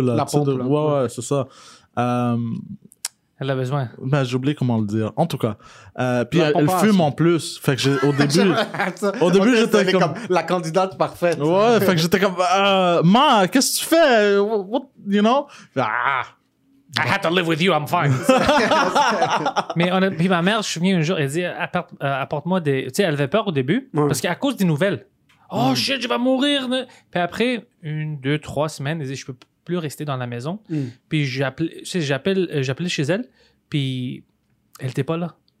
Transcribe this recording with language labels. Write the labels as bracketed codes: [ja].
[fr] La pompe. Ouais, c'est ça. Elle a besoin. Ben, j'ai oublié comment le dire. En tout cas. Puis elle fume en plus. Fait que j'ai, au début. au début, okay, j'étais comme la candidate parfaite. Ouais, fait que j'étais comme, ma, qu'est-ce que tu fais? [en] What, you know? Ah, I had to live with you, I'm fine. [fr] Mais on a, puis ma mère, je me souviens un jour, elle dit, apporte-moi des. Tu sais, elle avait peur au début. Ouais. Parce qu'à cause des nouvelles. [en] Oh shit, [fr] je vais mourir. Puis après, une, deux, trois semaines, elle dit, je peux plus rester dans la maison. Mm. Puis j'appelais chez elle, puis elle était pas là.